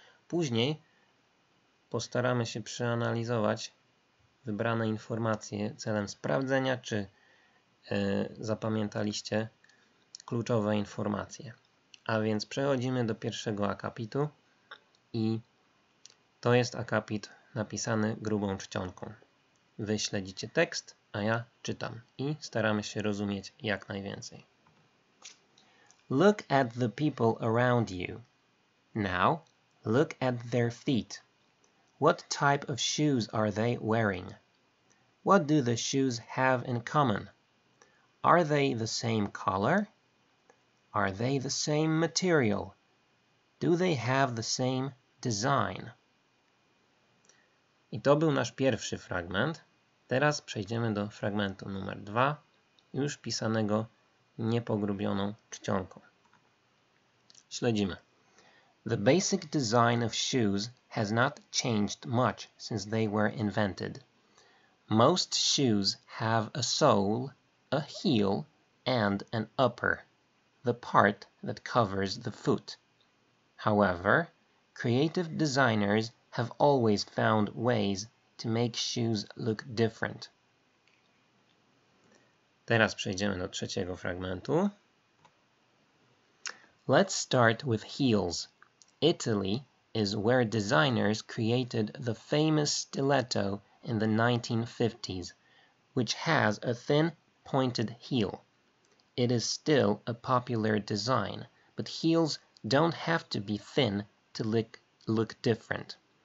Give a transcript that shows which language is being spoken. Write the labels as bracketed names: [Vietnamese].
[Polish] Później postaramy się przeanalizować wybrane informacje celem sprawdzenia, czy zapamiętaliście kluczowe informacje. A więc przechodzimy do pierwszego akapitu i to jest akapit napisany grubą czcionką. Wy śledzicie tekst, a ja czytam i staramy się rozumieć jak najwięcej. [English] Look at the people around you. Now, look at their feet. What type of shoes are they wearing? What do the shoes have in common? Are they the same color? Are they the same material? Do they have the same design. [Polish] I to był nasz pierwszy fragment. Teraz przejdziemy do fragmentu numer 2, już pisanego niepogrubioną czcionką. Śledzimy. [English] The basic design of shoes has not changed much since they were invented. Most shoes have a sole, a heel, and an upper, the part that covers the foot. However, creative designers have always found ways to make shoes look different. [Polish] Teraz przejdziemy do trzeciego fragmentu. [English] Let's start with heels. Italy is where designers created the famous stiletto in the 1950s, which has a thin, pointed heel. It is still a popular design, but heels don't have to be thin to look different.